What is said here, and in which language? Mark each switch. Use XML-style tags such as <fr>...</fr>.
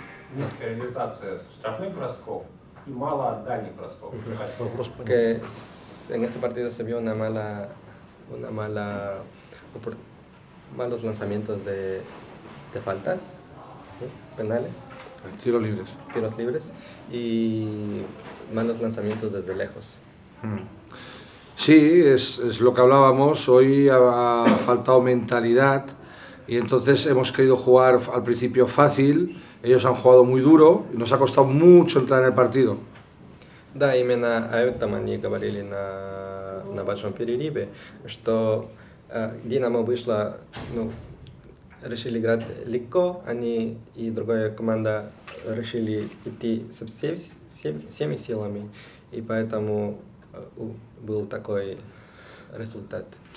<ru>Низкая реализация штрафных бросков. Мало дальних бросков.</ru> <es>Que en este partido se vio una mala malos lanzamientos de faltas, ¿sí? Penales. Tiros libres. Tiros libres y malos lanzamientos desde lejos. Sí, es lo que hablábamos. Hoy ha faltado mentalidad y entonces hemos querido jugar al principio fácil. Ellos han jugado muy duro y nos ha costado mucho entrar en el partido.</es> <ru>Да, именно о этом они говорили на большом перерыве, что Динамо вышло, ну, решили играть легко, они и другая команда решили идти со всеми силами, и поэтому был такой результат.</ru>